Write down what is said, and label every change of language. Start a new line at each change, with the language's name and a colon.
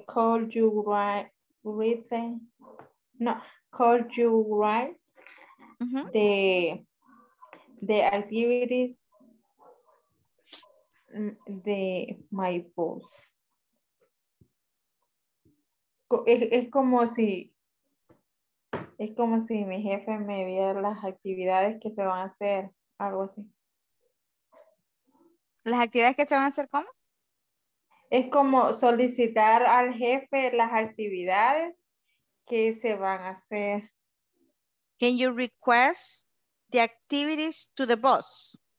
English: Could you write the activities de my boss?
Spanish: Es como si mi jefe me diera las actividades que se van a hacer, algo así. ¿Las actividades que se van a hacer cómo? Es como solicitar al jefe las actividades que se van a hacer.
English: Can you request the activities to the boss?